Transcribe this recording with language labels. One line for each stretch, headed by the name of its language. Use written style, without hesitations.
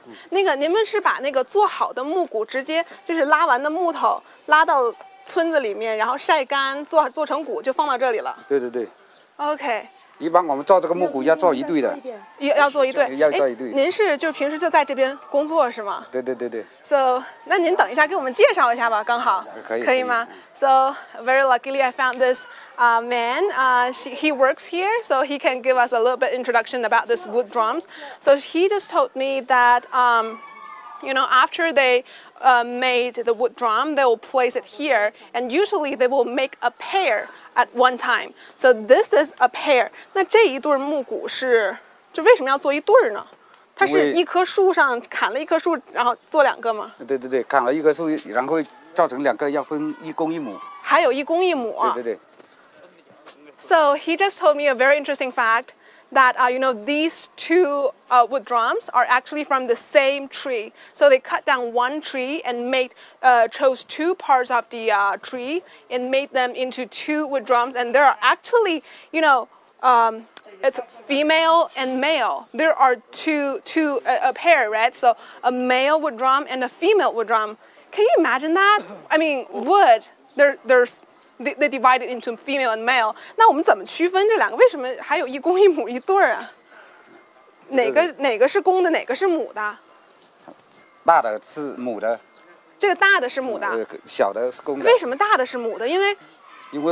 Chinese: 那个，你们是把那个做好的木鼓直接就是拉完的木头拉到村子里面，然后晒干做成鼓就放到这里了。对对对。 OK。一般我们造这个木鼓要造一对的。要做一对。要造一对。您是就平时就在这边工作是吗？对对对对。 So, 那您等一下给我们介绍一下吧，刚好。可以吗？可以。
English: So very luckily I found this man. He works here, so he can give us a little bit introduction about this wood drums. So he just told me that, you know, after they made the wood drum, they will place it here, and usually they will make a pair at one time. So this is a pair.
Chinese: 那这一对木鼓是，就为什么要做一对呢？它是一棵树上砍了一棵树，然后做两个吗？对对对，砍了一棵树，然后造成两个，要分一公一母。还有一公一母。对对对。
English: So he just told me a very interesting fact that, you know, these two wood drums are actually from the same tree. So they cut down one tree and chose two parts of the tree and made them into two wood drums. And there are actually, you know, it's female and male. There are two, a pair, right? So a male wood drum and a female wood drum. Can you imagine that? I mean, wood, they divided into female and male.
Chinese: 那我们怎么区分这两个？为什么还有一公一母一对儿啊？哪个是公的？哪个是母的？大的是母的。这个大的是母的。小的是公的。为什么大的是母的？因为